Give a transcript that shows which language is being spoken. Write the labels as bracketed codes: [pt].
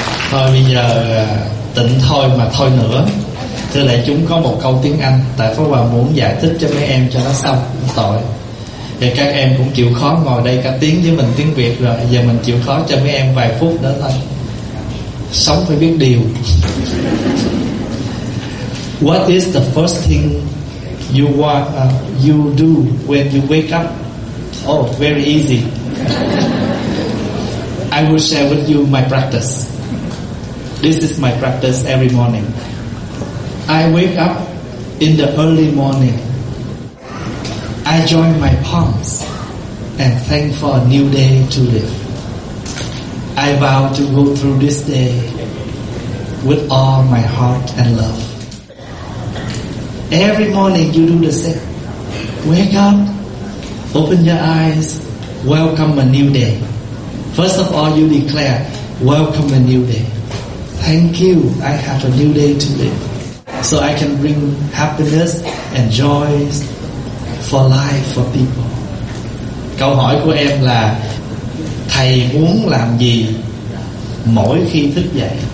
[vi] Thôi bây giờ tỉnh thôi mà thôi nữa. Thưa đại chúng, có một câu tiếng Anh tại Pháp Hòa muốn giải thích cho mấy em cho nó xong, không tội. Thì các em cũng chịu khó ngồi đây cả tiếng với mình tiếng Việt rồi, giờ mình chịu khó cho mấy em vài phút nữa thôi. Sống phải biết điều. [en] What is the first thing you want you do when you wake up? Oh, very easy. I will share with you my practice. This is my practice every morning. I wake up in the early morning. I join my palms and thank for a new day to live. I vow to go through this day with all my heart and love. Every morning you do the same. Wake up, open your eyes, welcome a new day. First of all, you declare, welcome a new day. Thank you, I have a new day to live. So I can bring happiness and joy for life, for people. [vi] Câu hỏi của em là, thầy muốn làm gì mỗi khi thức dậy?